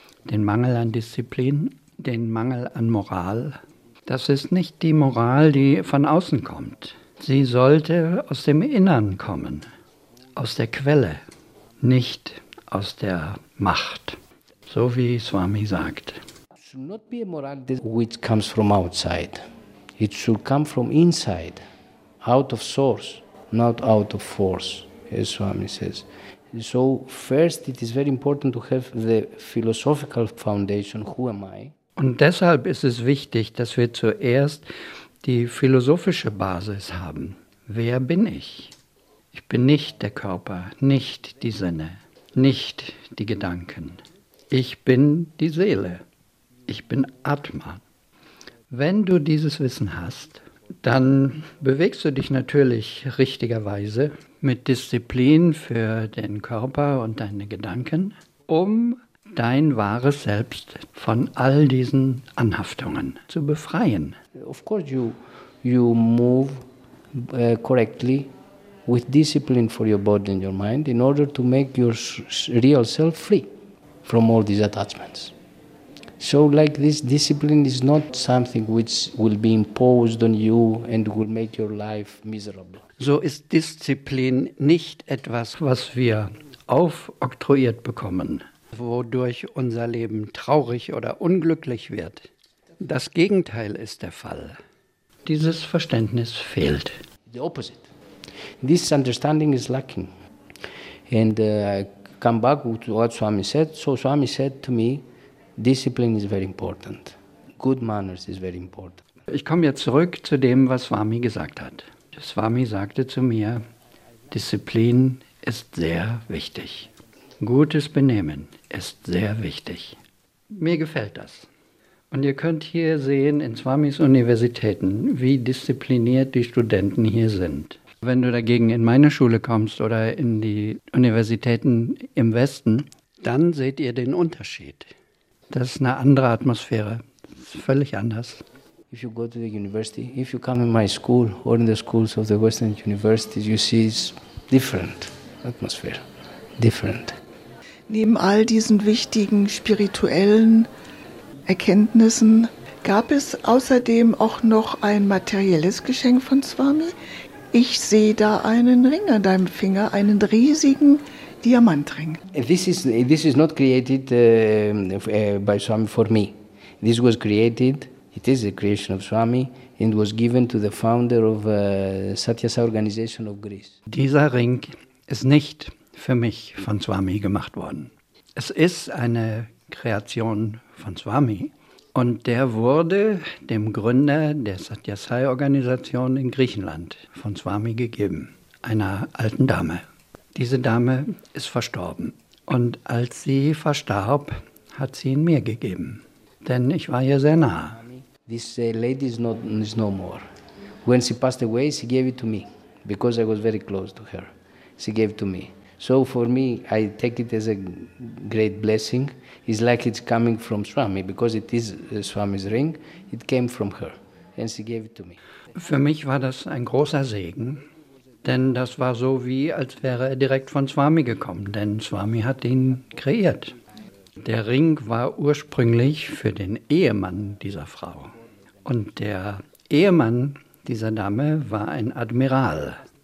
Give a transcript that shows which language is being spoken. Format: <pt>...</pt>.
<de>Den Mangel an Disziplin, den Mangel an Moral. Das ist nicht die Moral, die von außen kommt. Sie sollte aus dem Innern kommen, aus der Quelle, nicht aus der Macht. So wie Swami sagt.</de> <en>It should not be a morality which comes from outside. It should come from inside, out of source, not out of force, as Swami says. So first it is very important to have the philosophical foundation, who am I?</en> <de>Und deshalb ist es wichtig, dass wir zuerst die philosophische Basis haben. Wer bin ich? Ich bin nicht der Körper, nicht die Sinne, nicht die Gedanken. Ich bin die Seele. Ich bin Atma. Wenn du dieses Wissen hast, dann bewegst du dich natürlich richtigerweise mit Disziplin für den Körper und deine Gedanken, um dein wahres Selbst von all diesen Anhaftungen zu befreien.</de> <en>Of course you move correctly with discipline for your body and your mind in order to make your real self free from all these attachments. So like this discipline is not something which will be imposed on you and will make your life miserable.</en> <de>So ist Disziplin nicht etwas, was wir aufoktroyiert bekommen, wodurch unser Leben traurig oder unglücklich wird. Das Gegenteil ist der Fall. Dieses Verständnis fehlt.</de> <en>The opposite. This understanding is lacking. And I come back to what Swami said. So Swami said to me, discipline is very important. Good manners is very important.</en> <de>Ich komme jetzt zurück zu dem, was Swami gesagt hat. Swami sagte zu mir, Disziplin ist sehr wichtig. Gutes Benehmen ist sehr wichtig. Mir gefällt das. Und ihr könnt hier sehen in Swamis Universitäten, wie diszipliniert die Studenten hier sind. Wenn du dagegen in meine Schule kommst oder in die Universitäten im Westen, dann seht ihr den Unterschied. Das ist eine andere Atmosphäre. Das ist völlig anders.</de> <en>If you go to the university, if you come in my school or in the schools of the Western universities, you see it's different atmosphere, different.</en> <de>Neben all diesen wichtigen spirituellen Erkenntnissen gab es außerdem auch noch ein materielles Geschenk von Swami. Ich sehe da einen Ring an deinem Finger, einen riesigen Diamantring.</de> <en>This is not created by Swami for me. This was created. It is the creation of Swami and was given to the founder of Satyasa organization of Greece.</en> <de>Dieser Ring ist nicht für mich von Swami gemacht worden. Es ist eine Kreation von Swami und der wurde dem Gründer der Satyasai-Organisation in Griechenland von Swami gegeben, einer alten Dame. Diese Dame ist verstorben und als sie verstarb, hat sie ihn mir gegeben, denn ich war ihr sehr nah.</de> <en>This lady is no more. When she passed away, she gave it to me because I was very close to her. She gave it to me. So for me, I take it as a great blessing. It's like it's coming from Swami, because it is Swami's ring. It came from her, and she gave it to me.</en> <de>Für mich war das ein großer Segen, denn das war so, wie als wäre er direkt von Swami gekommen, denn Swami hat ihn kreiert. Der Ring war ursprünglich für den Ehemann dieser Frau. Und der Ehemann dieser Dame war ein Admiral.</de>